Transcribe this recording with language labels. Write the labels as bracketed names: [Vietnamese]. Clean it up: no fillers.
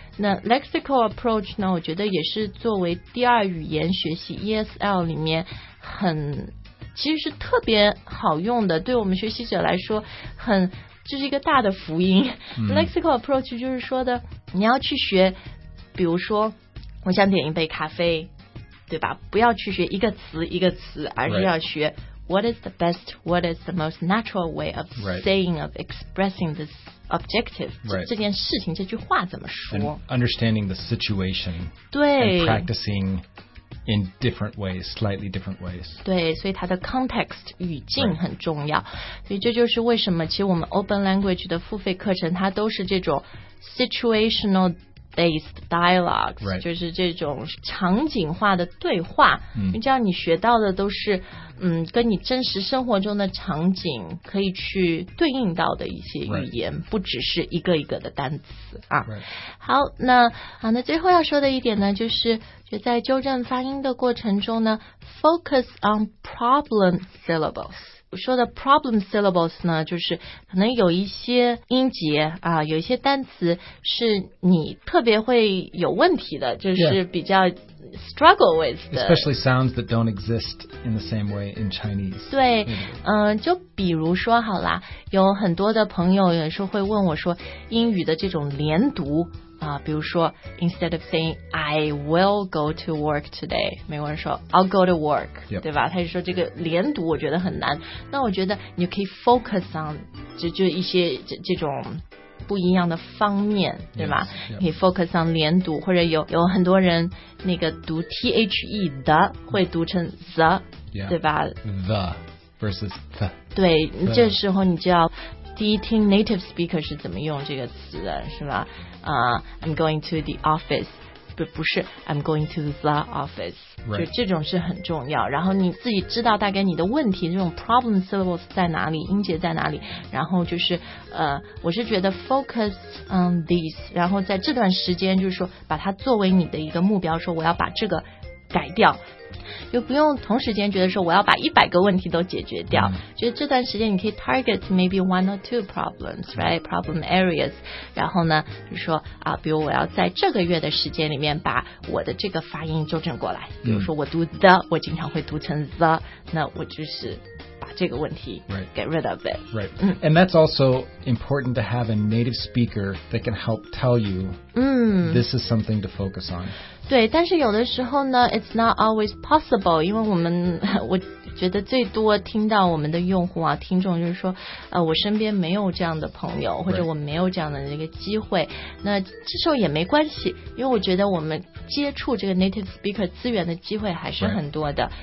[Chinese] 那 lexical approach 呢我觉得也是作为第二语言学习 ESL 里面很其实是特别好用的，对我们学习者来说很这、就是一个大的福音、lexical approach 就是说的你要去学，比如说我想点一杯咖啡对吧，不要去学一个词一个词，而是要学、 [English] right. what is the best, what is the most natural way of、 right. saying, of expressing thisobjective、 right. [Chinese] 这件事情这句话怎么说、 [English] and、understanding the situation [Chinese] 对 [English] and practicing in different ways slightly different ways [Chinese] 对，所以它的 context 语境很重要、 [English] right. [Chinese] 所以这就是为什么其实我们 open language 的付费课程它都是这种 [English] situational based dialogues、 right. [Chinese] 就是这种场景化的对话、因为这样你学到的都是跟你真实生活中的场景可以去对应到的一些语言、 [English] right. [Chinese] 不只是一个一个的单词啊。 [English] Right. [Chinese] 好，那好，那最后要说的一点呢就是就在纠正发音的过程中呢 [English] focus on problem syllables。 [Chinese] 我说的 problem syllables 呢就是可能有一些音节啊，有一些单词是你特别会有问题的，就是比较 [English] struggle with the, especially sounds that don't exist in the same way in Chinese. [Chinese] 对、就比如说好啦，有很多的朋友有时候会问我说英语的这种连读啊、比如说 [English] instead of saying I will go to work today, [Chinese] 美国人说 [English] I'll go to work,、 yep. [Chinese] 对吧，他就说这个连读我觉得很难，那我觉得你可以 [English] focus on [Chinese] 就一些 这种不一样的方面对吧，你、 [English] yes, yep. focus on [Chinese] 连读，或者有很多人那个读 THE 的会读成 the、 [English] yeah. [Chinese] 对吧 [English] the versus the [Chinese] 对the. 这时候你就要第一听 native speaker 是怎么用这个词的是吧、 [English] I'm going to the office [Chinese] 不是 I'm going to the office、 [English] right. [Chinese] 就这种是很重要，然后你自己知道大概你的问题这种 problem syllables 在哪里，音节在哪里，然后就是我是觉得 [English] focus on these, [Chinese] 然后在这段时间就是说把它作为你的一个目标，说我要把这个改掉，就不用同时间觉得说我要把100个问题都解决掉、就是这段时间你可以 [English] target maybe one or two problems, right? Problem areas, [Chinese] 然后呢就说啊，比如我要在这个月的时间里面把我的这个发音纠正过来，比如说我读 the, 我经常会读成 the, 那我就是把这个问题 [English] get rid of it. Right. And that's also important to have a native speaker that can help tell you、this is something to focus on. [Chinese] 对，但是有的时候呢 [English] it's not always possible, [Chinese] 因为我们我觉得最多听到我们的用户啊听众就是说我身边没有这样的朋友，或者我没有这样的一个机会，那这时候也没关系，因为我觉得我们接触这个 native speaker 资源的机会还是很多的。